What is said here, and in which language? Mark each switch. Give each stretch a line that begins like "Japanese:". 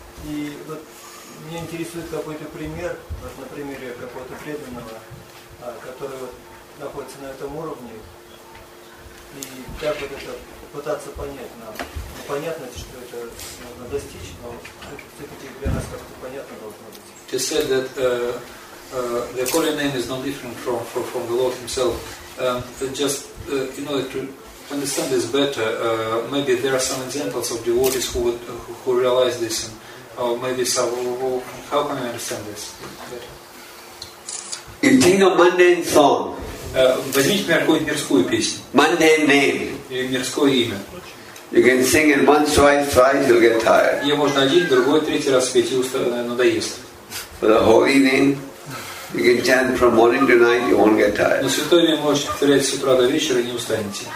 Russian: И вот меня интересует какой-то пример, вот на примере какого-то преданного, который вот находится на этом уровне. И как вот это пытаться понять нам? Ну, понятно, что это нужно достичь, но все-таки для нас как-то понятно должно быть.
English: You said that, the holy name is no different from the Lord Himself. Just in order to understand this better, maybe there are some examples of devotees who realize this, and maybe some. How can I understand this better? You sing a mundane song.
Russian: Возьмите какую-нибудь мирскую песню.
English: Mundane name.
Russian: Или мирское имя.
English: You can sing it once, twice, you'll get tired.
Russian: Ее можно один, другой, третий раз спеть, и устанет, надоест.
English: But a holy name. You can chant from morning to night, you won't get tired.
Russian: Но святое имя можете повторять с утра до вечера, и не устанете.